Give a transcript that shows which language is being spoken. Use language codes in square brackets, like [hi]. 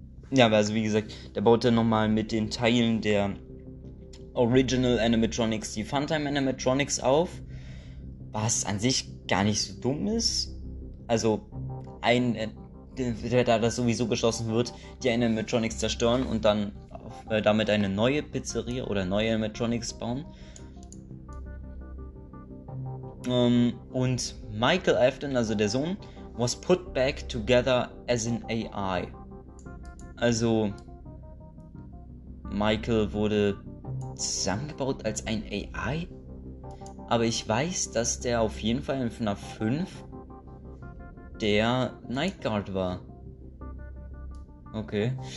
[de] Ja, also wie gesagt, der baut dann nochmal mit den Teilen der Original Animatronics die Funtime Animatronics auf, was an sich gar nicht so dumm ist. Also ein, da das sowieso geschlossen wird, die Animatronics zerstören und dann damit eine neue Pizzeria oder neue Animatronics bauen. Und Michael Afton, also der Sohn, [en] was put back together as an AI. [de] Also Michael wurde zusammengebaut als ein AI. Aber ich weiß, dass der auf jeden Fall in FNAF 5 der Night Guard war. Okay.